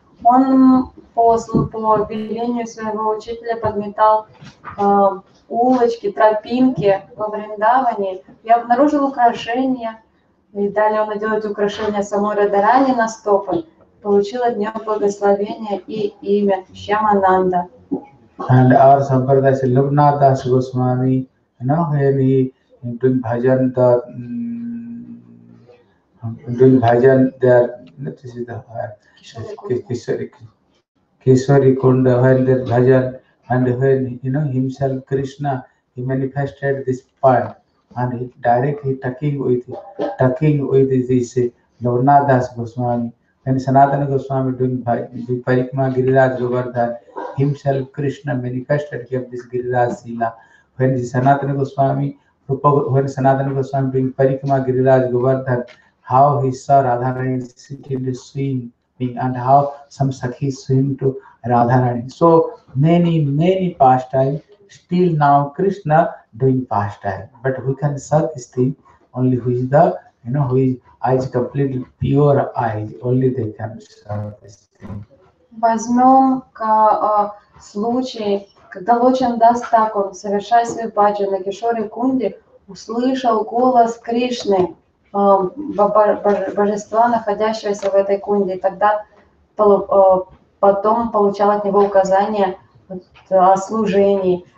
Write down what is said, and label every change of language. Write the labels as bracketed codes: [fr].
[ru] Он по велению своего учителя подметал улочки, тропинки во Вриндаване и обнаружил украшения. И далее он надел эти украшения самой Радарани на стопы, получил от нее благословение и имя Шьямананда. [en] And our Sampradaya said, Lugnadas Goswami, you know, when he doing bhajan there, this is the Kishori Kunda, when the bhajan, and when, you know, himself Krishna, he manifested this point, and he directly tucking with this Lugnadas Goswami. When Sanatana Goswami doing Parikma Giriraj Govardhan, himself Krishna manifested here this Giriraj Sila. When Sanatana Goswami doing Parikma Giriraj Govardhan, how he saw Radharani sitting in the swing, and how some sakhi swim to Radharani. So many pastime, still now Krishna doing pastime. But who can serve this thing? Only who is the, you know, who is eyes completely pure eyes, only they can serve this thing. [ru] Возьмем случай, когда Лочан Дас Такур, совершая свой баджан на Кишоре Кунде, услышал голос Кришны, божества, находящегося в этой кунде, и тогда потом получал от него указания о служении.